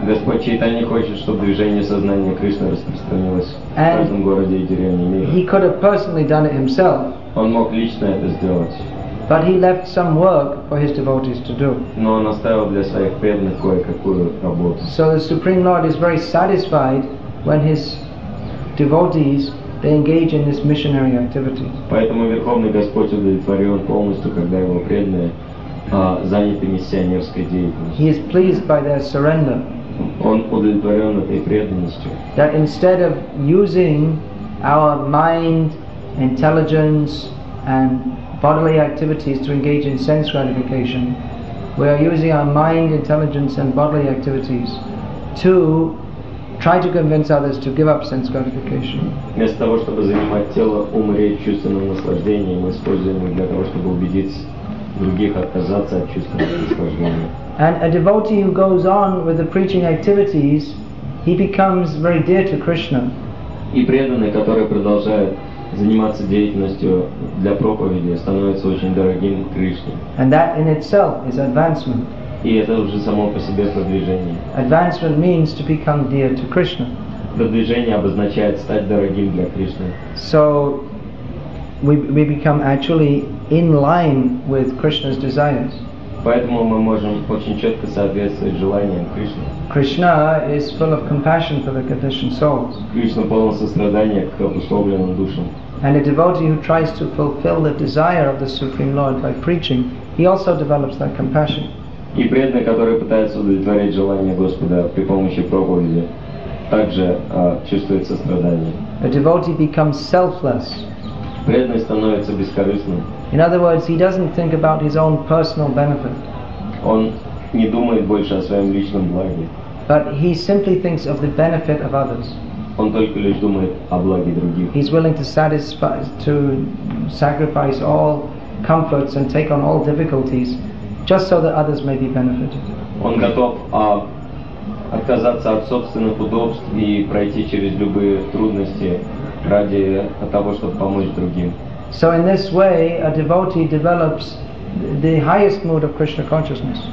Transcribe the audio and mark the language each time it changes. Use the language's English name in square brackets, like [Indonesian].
[Russian] Господь Чайтанья хочет, чтобы движение сознания Кришны распространилось в каждом городе и деревне мира. [English] He could have personally done it himself. [Russian] Он мог лично это сделать. [English] But he left some work for his devotees to do. [Russian] Но он оставил для своих преданных кое-какую работу. [English] So the Supreme Lord is very satisfied when his devotees they engage in this missionary activity. [Russian] Поэтому Верховный Господь удовлетворен полностью, когда его преданные заняты миссионерской деятельностью. [English] He is pleased by their surrender. [Russian] Он удовлетворен этой преданностью. [English] That instead of using our mind, intelligence, and bodily activities to engage in sense gratification, we are using our mind, intelligence, and bodily activities to try to convince others to give up sense gratification. [Russian] Вместо того, чтобы занимать тело, ум, речь чувственным наслаждением, мы используем их для того, чтобы убедить других отказаться от чувственного наслаждения. [English] And a devotee who goes on with the preaching activities, he becomes very dear to Krishna. [Russian] И преданный, который продолжает заниматься деятельностью для проповеди, становится очень дорогим Кришне. [English] And that in itself is advancement. [Russian] И это уже само по себе продвижение. [English] Advancement means to become dear to Krishna. [Russian] Продвижение обозначает стать дорогим для Кришны. [English] So we become actually in line with Krishna's desires. [Russian] Поэтому мы можем очень четко соответствовать желаниям Кришны. [English] Krishna is full of compassion for the conditioned souls. [Russian] Кришна полон сострадания к обусловленным душам. [English] And a devotee who tries to fulfill the desire of the Supreme Lord by preaching, he also develops that compassion. [Russian] И преданный, который пытается удовлетворить желание Господа при помощи проповеди, также чувствует сострадание. [English] A devotee becomes selfless. [Russian] Преданный становится бескорыстным. [English] In other words, he doesn't think about his own personal benefit. [Russian] Он не думает больше о своем личном благе. [English] But he simply thinks of the benefit of others. [Russian] Он только лишь думает о благе других. [English] He's willing to sacrifice all comforts and take on all difficulties just so that others may be benefited. [Russian] Он готов отказаться от собственных удобств и пройти через любые трудности ради того, чтобы помочь другим. [English] So in this way, a devotee develops the highest mood of Krishna consciousness.